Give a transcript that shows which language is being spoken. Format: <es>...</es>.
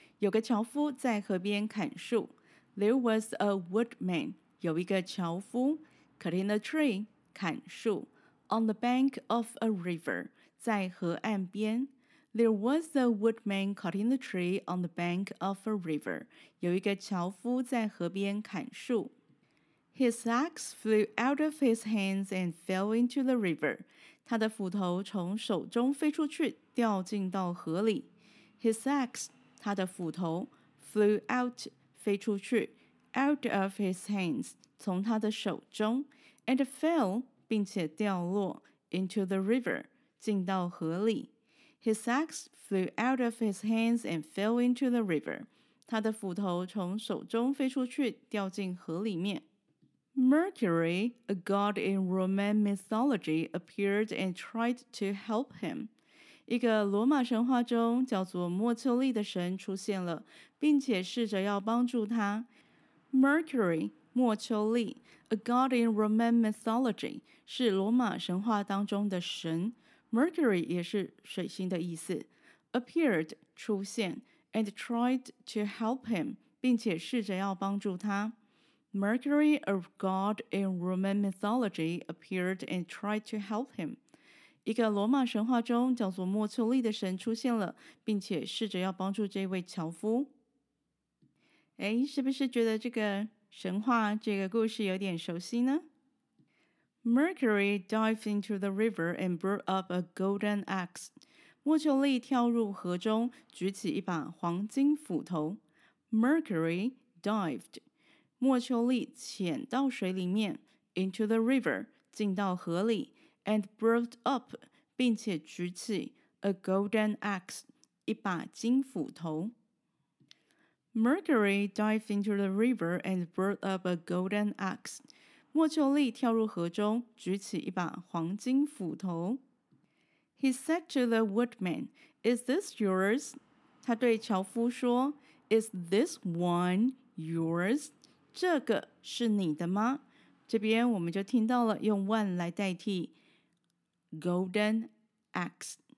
<zh>有个樵夫在河边砍树。</zh> <en>There was a woodman</en> <zh>有一个樵夫</zh> <en>cutting the tree</en> <zh>砍树。</zh> <en>On the bank of a river,</en> <zh>在河岸边。</zh> <en>There was a woodman cutting the tree on the bank of a river.</en> <zh>有一个樵夫在河边砍树。</zh> <en>His axe flew out of his hands and fell into the river.</en> <zh>他的斧头从手中飞出去，掉进到河里。</zh> <en>His axe,</en> <zh>他的斧头</zh> <en>flew out,</en> <zh>飞出去。</zh> <en>Out of his hands,</en> <zh>从他的手中。</zh> <en>And fell,</en> <zh>并且掉落</zh> <en>into the river,</en> <zh>进到河里。</zh> <en>His axe flew out of his hands and fell into the river.</en> <zh>他的斧头从手中飞出去，掉进河里面。</zh> <en>Mercury, a god in Roman mythology, appeared and tried to help him.</en> <zh>一个罗马神话中叫做墨丘利的神出现了，并且试着要帮助他。</zh> <en>Mercury,</en> <zh>墨丘利</zh> <en>a god in Roman mythology,</en> <zh>是罗马神话当中的神。 Mercury 也是水星的意思。 Appeared, 出现</zh> <en>and tried to help him,</en> <zh>并且试着要帮助他。</zh> <en>Mercury, a god in Roman mythology, appeared and tried to help him.</en> <zh>一个罗马神话中叫做墨丘利的神出现了，并且试着要帮助这位樵夫。诶，是不是觉得这个神话这个故事有点熟悉呢？</zh> <en>Mercury dived into the river and brought up a golden axe.</en> <zh>墨丘利跳入河中，举起一把黄金斧头。</zh> <en>Mercury dived.</en> <zh>墨丘利潜到水里面</zh> <en>into the river,</en> <zh>进到河里</zh> <en>and brought up,</en> <zh>并且举起</zh> <en>a golden axe,</en> <zh>一把金斧头。</zh> <en>Mercury dived into the river and brought up a golden axe.</en> <zh>墨丘利跳入河中，举起一把黄金斧头。</zh> <en>He said to the woodman, "Is this yours?"</en> <zh>他对樵夫说</zh> <en>"Is this one yours?"</en> <zh>这个是你的吗？这边我们就听到了用 one 来代替 golden axe.</zh>